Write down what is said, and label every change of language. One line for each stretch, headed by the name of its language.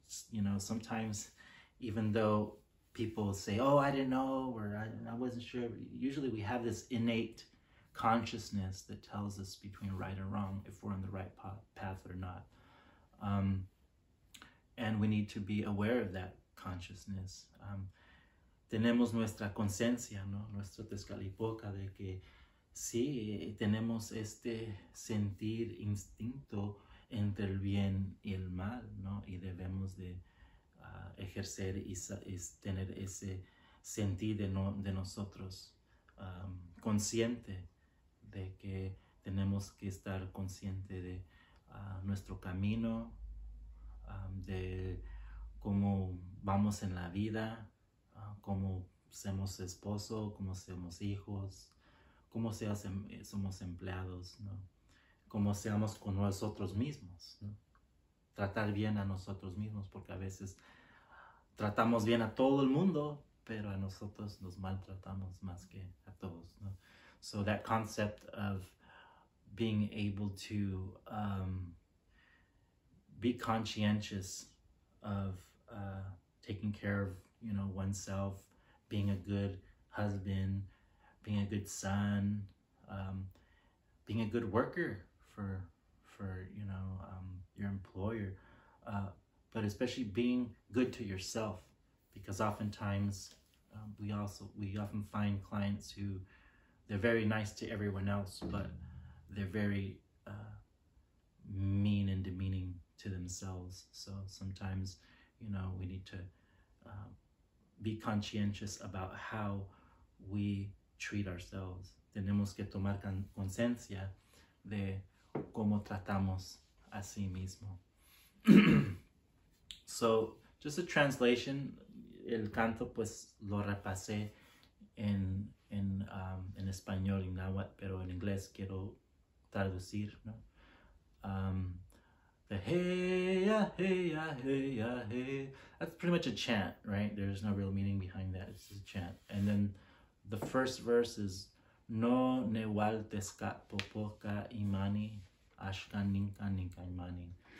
English: You know, sometimes even though people say, oh, I didn't know, or I wasn't sure, usually we have this innate consciousness that tells us between right and wrong, if we're on the right path or not. And we need to be aware of that consciousness.
Spanish: Tenemos nuestra conciencia, ¿no? Nuestro Tezcatlipoca, de que sí, tenemos este sentir instinto entre el bien y el mal, ¿no? Y debemos de ejercer y tener ese sentir de, no, de nosotros consciente, de que tenemos que estar consciente de nuestro camino, de cómo vamos en la vida, cómo somos esposo, cómo somos hijos, cómo somos empleados, ¿no? Cómo seamos con nosotros mismos, ¿no? Tratar bien a nosotros mismos, porque a veces tratamos bien a todo el mundo, pero a nosotros nos maltratamos más que a todos, ¿no?
English: So that concept of being able to be conscientious of taking care of, you know, oneself, being a good husband, being a good son, being a good worker for you know, your employer, but especially being good to yourself, because oftentimes we often find clients who they're very nice to everyone else, but they're very mean and demeaning to themselves. So sometimes, you know, we need to be conscientious about how we treat ourselves.
Spanish: Tenemos que tomar conciencia de cómo tratamos a sí mismo.
English: So, just a translation,
Spanish: el canto pues lo repasé en español y náhuatl, pero en inglés quiero traducir, ¿no? The hey, yeah, hey, yeah, hey, yeah, hey.
English: That's pretty much a chant, right? There's no real meaning behind that. It's just a chant. And then the first verse is
Nahuatl languages: No Newal Tezcatlipoca Imani Ashkan Ninkan Ninkan Imani.